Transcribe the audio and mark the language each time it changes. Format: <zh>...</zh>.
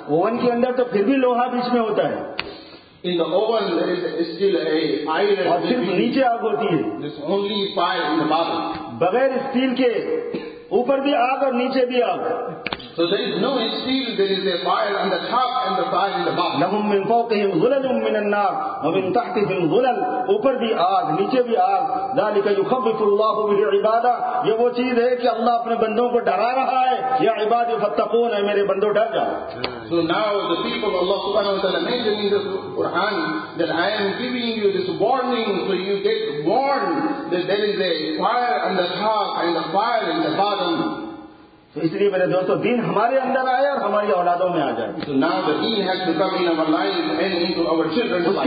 <ur>Oven کے اندر تو پھر بھی لوہا بیچ میں ہوتا ہے.</ur> <en>In the oven there is still a iron.</en> <ur>اور صرف نیچے آگ ہوتی ہے.</ur> <en>There's only fire in the bottom.</en> <ur>بغیر اسٹیل کے اوپر بھی آگ اور نیچے بھی آگ.</ur> <en>So there is no steel, there is a fire on the top and the fire in the bottom.</en> <ar>لهم من فوقهم ظلل من النار ومن تحتهم ظلل.</ar> <ur>اوپر بھی آگ نیچے بھی آگ.</ur> <ar>ذلك يخوف الله به عباده.</ar> <ur>یہ وہ چیز ہے کہ اللہ اپنے بندوں کو ڈرا رہا ہے.</ur> <ar>یا عباد فتقون.</ar> <ur>ہے میرے بندوں ڈر جاؤ.</ur> <en>So now the people Allah subhanahu wa ta'ala mentioned in the Quran that I am giving you this warning so you get warned that there is a fire on the top and a fire in the bottom.</en> <ur>تو اس لیے میرے دوستو دین ہمارے اندر آئے اور ہماری اولادوں میں آ جائے.</ur> <en>So now the deen has to come in our life and into our children's life.</en>